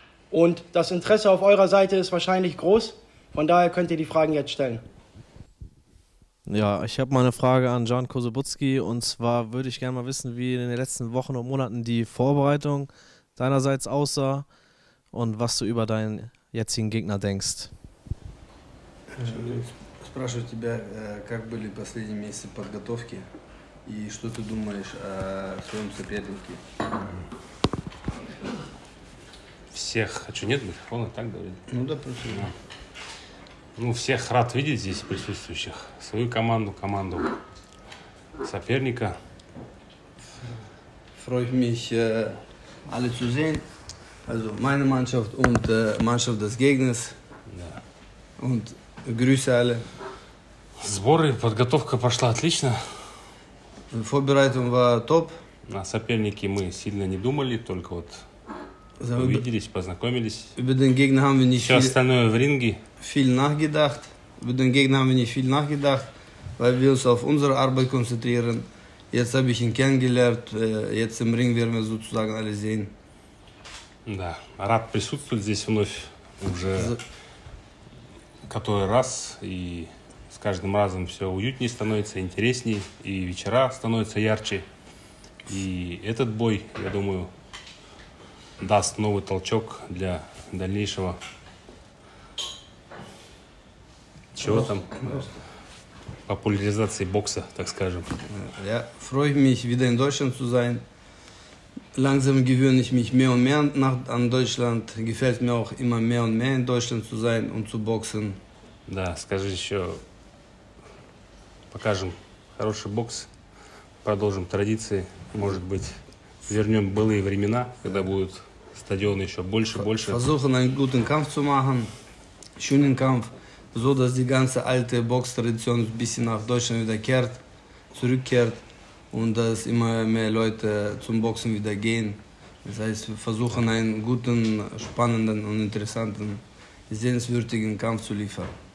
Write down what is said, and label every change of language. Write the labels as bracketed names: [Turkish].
[German] Und das Interesse auf eurer Seite ist wahrscheinlich groß. Von daher könnt ihr die Fragen jetzt stellen. Ja, ich habe mal eine Frage an Jan Kosowski. Und zwar würde ich gerne mal wissen, wie in den letzten Wochen und Monaten die Vorbereitung deinerseits aussah und was du über deinen jetzigen Gegner denkst. [Russian] Спрашиваю тебя, как были последние месяцы подготовки и что ты думаешь о своем сопернике? Всех хочу, нет микрофона, так говорит. Ну да, просто. Да. Ну, всех рад видеть здесь присутствующих. Свою команду, команду соперника. [German] Freut mich, alle zu sehen. Also meine Mannschaft und Mannschaft des Gegners. [Russian] Да. [German] Und Grüße alle. [Russian] Сборы, подготовка пошла отлично. [German] Vorbereitung war top. [Russian] На соперники мы сильно не думали, только вот увиделись, познакомились. [German] Über den Gegner haben wir nicht [Russian] все остальное в ринге. [German] Viel nachgedacht. Über den Gegner haben wir nicht viel nachgedacht, weil wir uns auf unsere Arbeit konzentrieren. Jetzt habe ich ihn kennengelernt. Jetzt im Ring werden wir sozusagen alle sehen. [Russian] Да, рад присутствовать здесь вновь уже. Который раз, и с каждым разом все уютнее становится, интереснее, и вечера становятся ярче. И этот бой, я думаю, даст новый толчок для дальнейшего. Чего там? Популяризации бокса, так скажем. Я [German] freue mich, wieder in Deutschland zu sein. Langsam gewöhne ich mich mehr und mehr an Deutschland. Gefällt mir auch immer mehr und mehr in Deutschland zu sein und zu boxen. [Russian] Да, скажи еще, покажем хороший бокс, продолжим традиции, может быть, вернем былые времена, когда будут стадионы еще больше и больше. [German] Versuchen einen guten Kampf zu machen, schönen Kampf, so dass die ganze alte Box-Tradition ein bisschen nach Deutschland wiederkehrt, zurückkehrt und dass immer mehr Leute zum Boxen wieder gehen. Das heißt, versuchen einen guten, spannenden und interessanten, sehenswürdigen Kampf zu liefern.